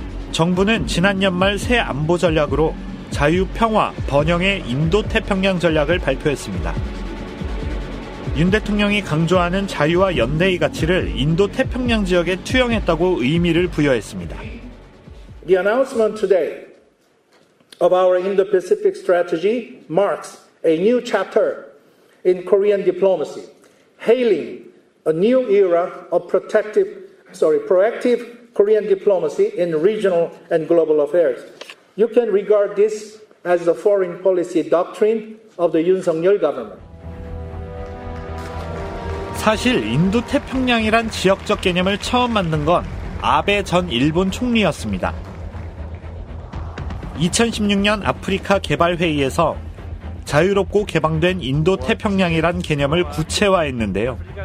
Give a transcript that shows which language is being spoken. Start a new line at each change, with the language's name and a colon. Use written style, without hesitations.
Korean: 정부는 지난 연말 새 안보 전략으로 자유, 평화, 번영의 인도 태평양 전략을 발표했습니다. 윤 대통령이 강조하는 자유와 연대의 가치를 인도 태평양 지역에 투영했다고 의미를 부여했습니다.
English: The announcement today of our Indo-Pacific strategy marks a new chapter in Korean diplomacy, hailing a new era of proactive Korean diplomacy in regional and global affairs. You can regard this as the foreign policy doctrine of the Yoon Suk-yeol government.
Korean: 사실 인도 태평양이란 지역적 개념을 처음 만든 건 아베 전 일본 총리였습니다. 2016년 아프리카 개발회의에서 자유롭고 개방된 인도 태평양이란 개념을 구체화했는데요.